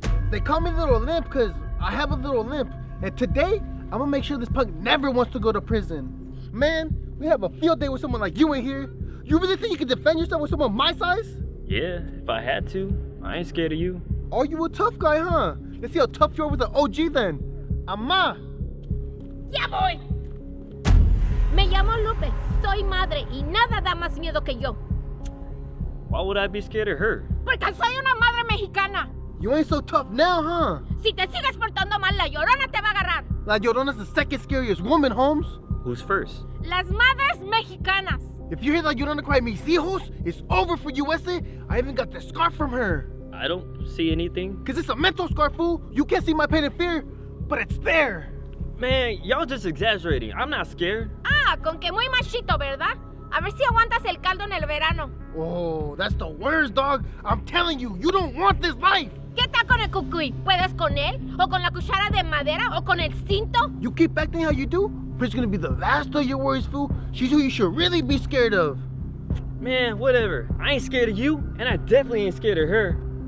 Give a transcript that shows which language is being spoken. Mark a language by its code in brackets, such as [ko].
[en] They call me Little Limp because I have a little limp. And today, I'm going to make sure this punk never wants to go to prison. Man, we have a field day with someone like you in here. You really think you can defend yourself with someone my size? Yeah, if I had to. I ain't scared of you. Are you a tough guy, huh? Let's see how tough you are with an OG then. [es] Amá. [en] Yeah, boy. [es] Me llamo Lupe. Soy madre y nada da más miedo que yo. [en] Why would I be scared of her? [es] Porque soy una madre mexicana. [en] You ain't so tough now, huh? [es] Si te sigues portando mal, la llorona te va a agarrar. [en] La llorona's the second scariest woman, Holmes. Who's first? [es] Las madres mexicanas. [en] If you hear la llorona cry, [es] mis hijos, [en] it's over for you, ese. I even got the scarf from her. I don't see anything. Because it's a mental scarf, fool. You can't see my pain and fear, but it's there. Man, y'all just exaggerating. I'm not scared. [es] Ah, con que muy machito, ¿verdad? A ver si aguantas el caldo en el verano. [en] Oh, that's the worst, dog. I'm telling you, you don't want this life. [es] ¿Qué tal con el cucuy? ¿Puedes con él? ¿O con la cuchara de madera? ¿O con el cinto? [en] You keep acting how you do? Prince is going to be the last of your worries, fool. She's who you should really be scared of. Man, whatever. I ain't scared of you, and I definitely ain't scared of her.